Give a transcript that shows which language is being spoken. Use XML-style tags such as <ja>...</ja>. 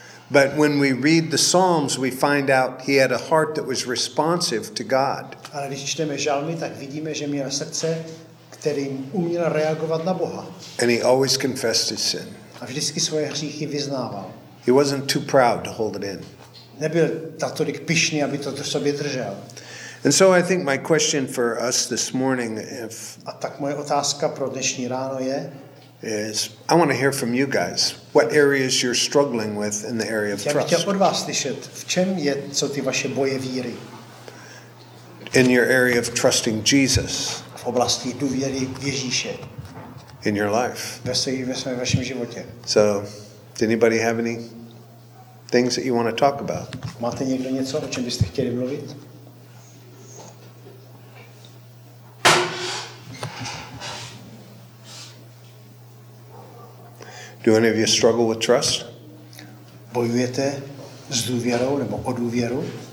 <en>But when we read the Psalms, we find out he had a heart that was responsive to God.</en> <cs>Ale když čteme žalmy, tak vidíme, že měl srdce, kterým uměl reagovat na Boha.</cs> <en>And he always confessed his sin.</en> <cs>A vždycky svoje hříchy vyznával.</cs> <en>He wasn't too proud to hold it in.</en> <cs>Nebyl tolik pyšný, aby to sobě držel.</cs> <en>And so I think my question for us this morning,</en> <cs>a tak moje otázka pro dnešní ráno je,</cs> <en>is I want to hear from you guys what areas you're struggling with in the area of trust.</en> <cs>Já bych chtěl od vás slyšet, v čem je, co ty vaše boje víry?</cs> <en>In your area of trusting Jesus.</en> <cs>V oblasti důvěry v Ježíše.</cs> <en>In your life.</en> <cs>Ve vašem životě.</cs> <en>So, does anybody have any things that you want to talk about?</en> <cs>Máte někdo něco, o čem byste chtěli mluvit?</cs> <en>Do any of you struggle with trust?</en> <cs>Bojujete s důvěrou nebo o důvěru?</cs>